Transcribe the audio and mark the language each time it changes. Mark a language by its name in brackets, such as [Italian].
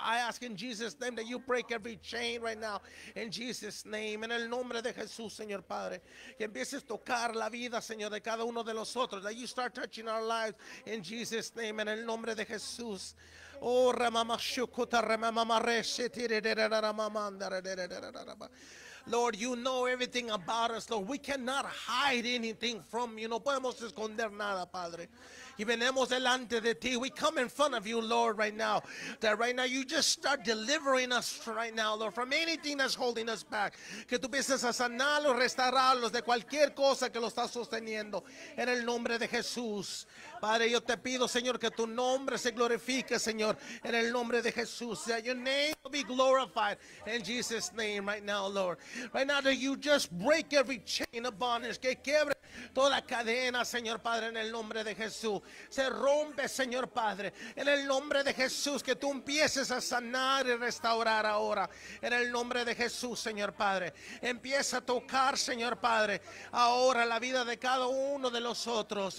[English] I ask in Jesus' name that you break every chain right now. In Jesus' name, [Spanish] en el nombre de Jesús, Señor Padre. Que empieces a tocar la vida, Señor, de cada uno de los otros. [English] That you start touching our lives. In Jesus' name, [Spanish] en el nombre de Jesús. [English] Oh, Ramama Shukuta, Ramama Reshiti, Lord, you know everything about us, Lord. We cannot hide anything from you. [Spanish] No podemos esconder nada, Padre. Y venemos delante de ti. [English] We come in front of you, Lord, right now. That right now you just start delivering us right now, Lord, from anything that's holding us back. [Spanish] Que tú empieces a sanarlos, restaurarlos de cualquier cosa que lo está sosteniendo. En el nombre de Jesús. Padre, yo te pido, Señor, que tu nombre se glorifique, Señor. En el nombre de Jesús. [English] That your name will be glorified in Jesus' name right now, Lord. Right now, that you just break every chain of bondage. [Spanish] Que quiebre toda cadena, Señor Padre, en el nombre de Jesús. Se rompe, Señor Padre, en el nombre de Jesús. Que tú empieces a sanar y restaurar ahora. En el nombre de Jesús, Señor Padre. Empieza a tocar, Señor Padre, ahora la vida de cada uno de los otros.